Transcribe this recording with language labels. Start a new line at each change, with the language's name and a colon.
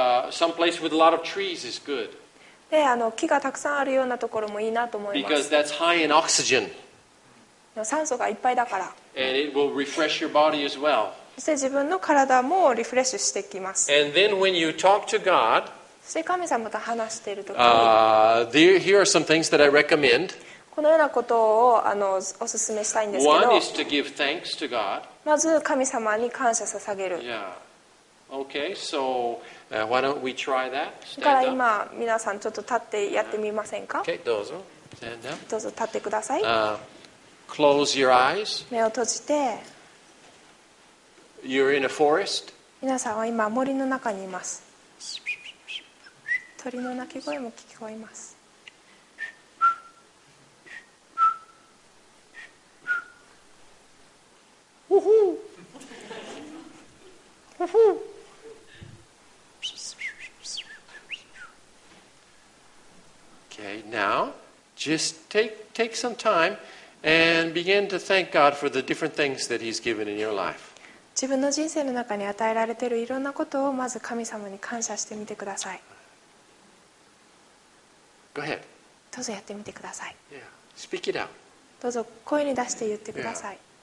English: some place with a lot of trees is good.
Japanese: で、木がたくさんあるようなところもいいなと思います。
English: Because that's high in oxygen.
Japanese: 酸素がいっぱいだから。
English: And it will refresh your body as well.
Japanese: そして自分の体もリフレッシュしてきます。
English: And then when you talk to God,
Japanese: そして神様と話しているとき
English: に、here are some things that I recommend.
Japanese: このようなことをお勧めしたいんですけど、
English: One is to give thanks to God.
Japanese: まず神様に感謝捧げる。
English: Yeah. Okay, so, why don't we try that?
Japanese: だから今皆さんちょっと立ってやってみませんか。
English: Okay,
Japanese: どうぞ。
English: Stand up.
Japanese: どうぞ立ってください。
English: Close your eyes.
Japanese: 目を閉じて。
English: You're in a forest.
Japanese: 皆さんは今森の中にいます。鳥の鳴き声も聞こえます。
English: Okay, now just take some time and begin to thank God for the different things that He's given in your life.
Japanese: 自分の人生の中に与えられているいろんなことをまず神様に感謝してみてください。
English: Go ahead.
Japanese: どうぞやってみてください。
English: Yeah, speak it out.
Japanese: どうぞ声に出して言ってください。